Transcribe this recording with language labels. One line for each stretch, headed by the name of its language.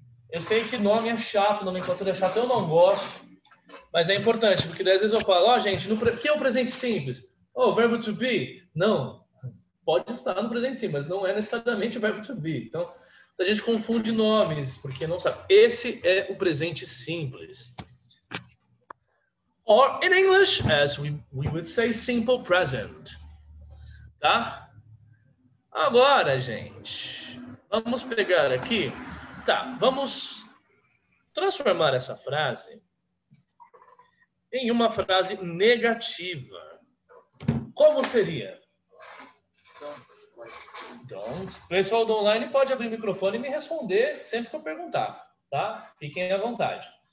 Portuguese: Eu sei que nome é chato, nomenclatura é chata, eu não gosto, mas é importante, porque às vezes eu falo, gente, o que é o presente simples? O verbo to be? Não. Pode estar no presente simples, mas não é necessariamente o verbo to be. Então, a gente confunde nomes, porque não sabe. Esse é o presente simples.
English: Or, in English, as we would say, simple present.
Portuguese: Tá? Agora, gente, vamos pegar aqui. Tá, vamos transformar essa frase em uma frase negativa. Como seria? Pessoal do online pode abrir o microfone e me responder sempre que eu perguntar, tá? Fiquem à vontade.